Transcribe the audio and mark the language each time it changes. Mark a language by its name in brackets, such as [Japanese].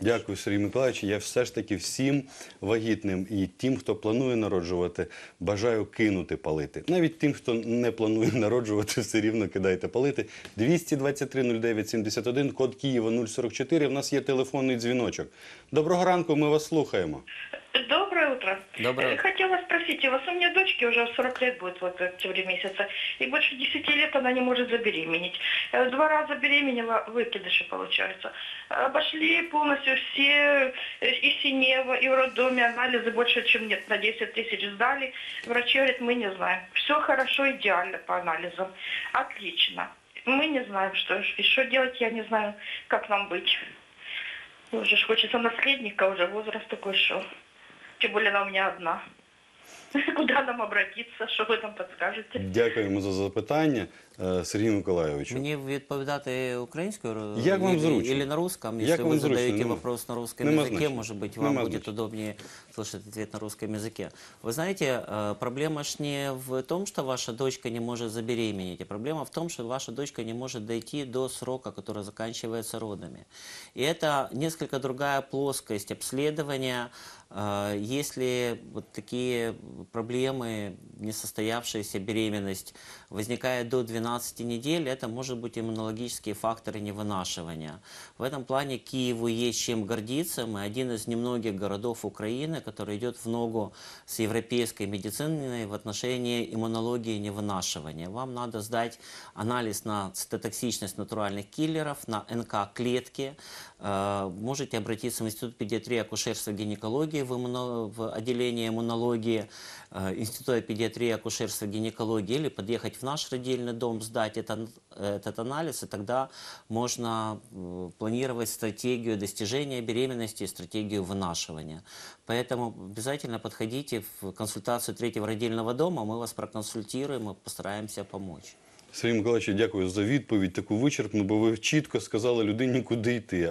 [Ukrainian] Дякую, Сергій Миколаївич. Я все ж таки всім вагітним і тим, хто планує народжувати, бажаю кинути палити. Навіть тим, хто не планує народжувати, все рівно кидайте палити. 223-09-71, код Києва 044. В нас є телефонний дзвіночок. Доброго ранку, ми вас слухаємо. [Russian] Доброе утро. Доброе. Хотела спросить, у вас у меня дочке уже 40 лет будет вот в октябре месяце, и больше 10 лет она не может забеременеть. Два раза беременела, выкидыши получается. Обошли полностью все, и синева, и в роддоме анализы больше, чем нет, на 10 тысяч сдали. Врачи говорят, мы не знаем. Все хорошо, идеально по анализам. Отлично. Мы не знаем, что и что делать, я не знаю, как нам быть. Уже хочется наследника, уже возраст такой шел. [Ukrainian] Тим більше, вона у мене одна. Куди нам обратитися? Що ви там підскажете? Дякуємо за запитання, Сергій Миколаєвич. Мені відповідати українською? Як вам зручно? [Russian] Или на русском? [Ukrainian] Якщо ви задаєте питання [Russian] на русском языке, [Ukrainian] може бути, вам буде удобнее слушати відповідь на русском языке. Ви знаєте, проблема ж не в тому, що ваша дочка не може забеременіти. Проблема в тому, що ваша дочка не може [Russian] дойти до срока, [Ukrainian] який [Russian] заканчивается родами. І це несколько другая плоскость обследования. Если вот такие проблемы, несостоявшаяся беременность, возникает до 12 недель, это может быть иммунологические факторы невынашивания. В этом плане Киеву есть чем гордиться. Мы один из немногих городов Украины, который идет в ногу с европейской медициной в отношении иммунологии невынашивания. Вам надо сдать анализ на цитотоксичность натуральных киллеров, на НК-клетки. Можете обратиться в Институт педиатрии, акушерства и гинекологии, в отделение иммунологии Института педиатрии, акушерства и гинекологии, или подъехать в наш родильный дом, сдать этот анализ, и тогда можно планировать стратегию достижения беременности и стратегию вынашивания. Поэтому обязательно подходите в консультацию третьего родильного дома, мы вас проконсультируем и постараемся помочь. [Ukrainian] Сергій Миколаївич, дякую за відповідь, таку вичерпну, бо ви чітко сказали людині, куди йти.